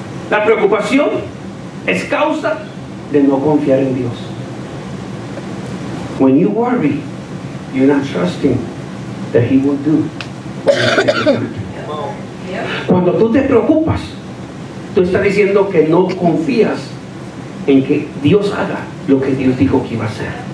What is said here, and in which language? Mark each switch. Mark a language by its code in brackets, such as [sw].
[es] La preocupación es causa de no confiar en Dios. [en] When you worry, you're not trusting that He will do [es] Cuando tú te preocupas, tú estás diciendo que no confías en que Dios haga lo que Dios dijo que iba a hacer.